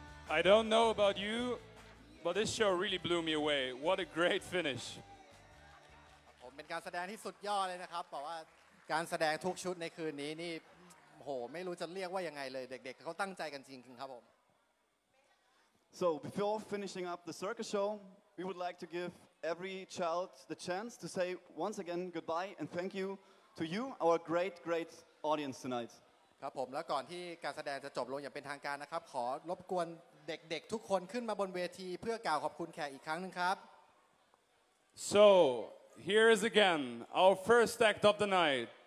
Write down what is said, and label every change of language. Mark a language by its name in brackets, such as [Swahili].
[English] I don't know about you, but this show really blew me away. What a great finish. [Thai] เป็นการแสดงที่สุดยอดเลยนะครับบอกว่าการแสดงทุกชุดในคืนนี้นี่โหไม่รู้จะเรียกว่ายังไงเลยเด็กๆเขาตั้งใจกันจริงๆครับผม [English] So before finishing up the circus show we would like to give every child the chance to say once again goodbye and thank you to you our great great audience tonight [Thai] ครับผมแล้วก่อนที่การแสดงจะจบลงอย่างเป็นทางการนะครับขอรบกวนเด็กๆทุกคนขึ้นมาบนเวทีเพื่อกล่าวขอบคุณแขกอีกครั้งนึงครับ [English] SoHere is again our first act of the night.